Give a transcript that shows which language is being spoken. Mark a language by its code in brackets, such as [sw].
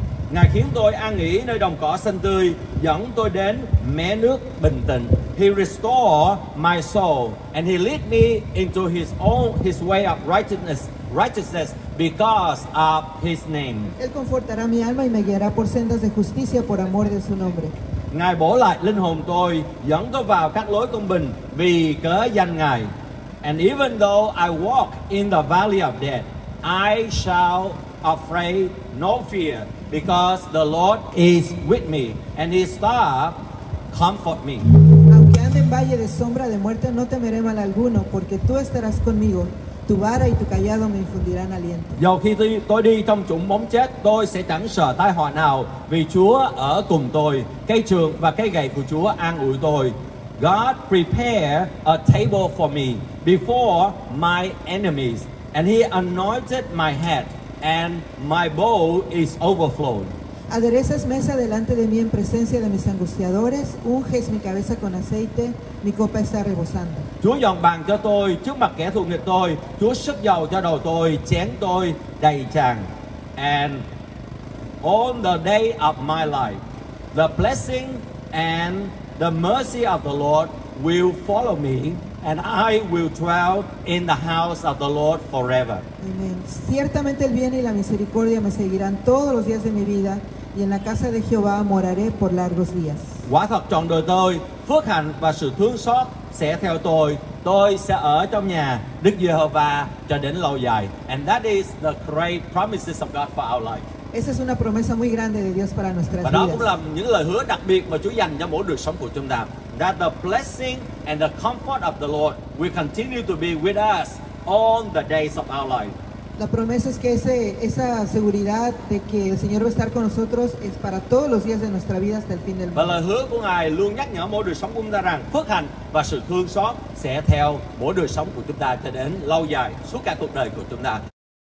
[vi] Ngài khiến tôi an nghỉ nơi đồng cỏ xanh tươi, dẫn tôi đến mé nước bình tĩnh. [en] He restore my soul, and He lead me into His way of righteousness because of His name. [es] Él confortará mi alma y me guiará por sendas de justicia por amor de su nombre. [vi] Ngài bổ lại linh hồn tôi, dẫn tôi vào các lối công bình vì cớ danh Ngài. [en] And even though I walk in the valley of death, I shall afraid no fear, because the Lord is with me, and His staff comfort me. [es] Aunque ande en valle de sombra de muerte, no temeré mal alguno, porque tú estarás conmigo. Tu vara y tu cayado me infundirán aliento. [vi] Dầu khi tôi đi trong chủng bóng chết, tôi sẽ chẳng sợ tai họa nào, vì Chúa ở cùng tôi. Cây trường và cây gậy của Chúa an ủi tôi. [en] God prepare a table for me before my enemies, and He anointed my head, and my bowl is overflowing. [es] Aderezas mesa delante de mí en presencia de mis angustiadores, unges mi cabeza con aceite, mi copa está rebosando. [vi] Chúa dọn bàn cho tôi trước mặt kẻ thù nghịch tôi, Chúa sức dầu cho đầu tôi, chén tôi đầy tràn. [en] And on the day of my life, the blessing and the mercy of the Lord will follow me, and I will dwell in the house of the Lord forever. Amen. [es] Ciertamente el bien y la misericordia me seguirán todos los días de mi vida, y en la casa de Jehová moraré por largos días. [vi] Quả thật trong đời tôi, phước hạnh và sự thương xót sẽ theo tôi. Tôi sẽ ở trong nhà Đức Giê-hô-va cho đến lâu dài. [en] And that is the great promises of God for our life. [es] Esa es una promesa muy grande de Dios para nuestras vidas. [vi] Và đó cũng là những lời hứa đặc biệt mà Chúa dành cho mỗi đời sống của chúng ta. [en] That the blessing and the comfort of the Lord will continue to be with us all the days of our life. [es] La promesa es que esa seguridad de que el Señor va a estar con nosotros es para todos los días de nuestra vida hasta el fin del mundo. [vi] Và lời hứa của Ngài luôn nhắc nhở mỗi đời sống của chúng ta rằng phước hạnh và sự thương xót sẽ theo mỗi đời sống của chúng ta cho đến lâu dài suốt cả cuộc đời của chúng ta.